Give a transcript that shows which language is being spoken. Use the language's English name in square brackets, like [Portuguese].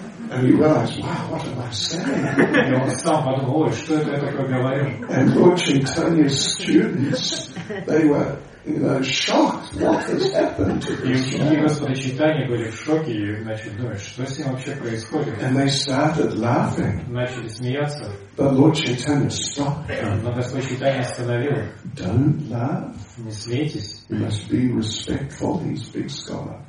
[English] And he realized, wow, what am I saying? [Russian] И он сам подумал, что это я такое говорю? [English] And Lord Chaitanya's students, they were, you know, shocked. What has happened to this man? [Russian] И Господа Чайтанья были в шоке, и начали думать, что с ним вообще происходит? [English] And they started laughing. [Russian] Начали смеяться. [English] But Lord Chaitanya stopped them. [Russian] Но Господь Чайтанья остановил. [English] Don't laugh. [Russian] Не смейтесь. [English] You must be respectful, he's big scholar.